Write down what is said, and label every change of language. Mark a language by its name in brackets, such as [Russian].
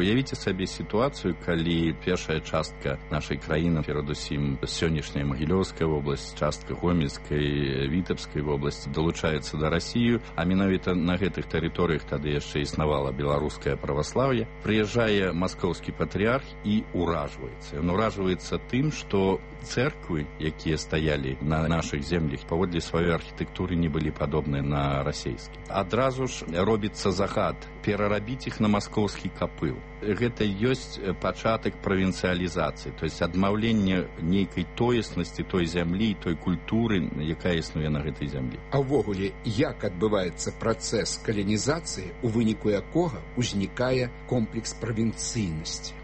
[Belarusian] Уявіце сабе сітуацыю, калі першая частка нашай краіны, перадусім сённяшняя Магілёўская вобласць, частка Гомельскай, Вітебскай вобласці далучаецца да Расіі, а менавіта на гэтых тэрыторыях тады яшчэ існавала беларуская православ славе, [Ukrainian] приїжджає московський патріарх і уражується. Він уражується тим, що церкви, які стояли на наших землях, поводлі своєї архітектури не були подобні на російські. Одразу ж робиться загад переробити їх на московський капил. [Belarusian] Гэта ёсць пачатак правінцыялізацыі, то есть адмаўленне нейкай тоеснасці той зямлі, той культуры, якая існуе на гэтай зямлі. А ўвогуле, як адбываецца працэс калінізацыі, у выніку якога ўзнікае комплекс правінцыйнасці?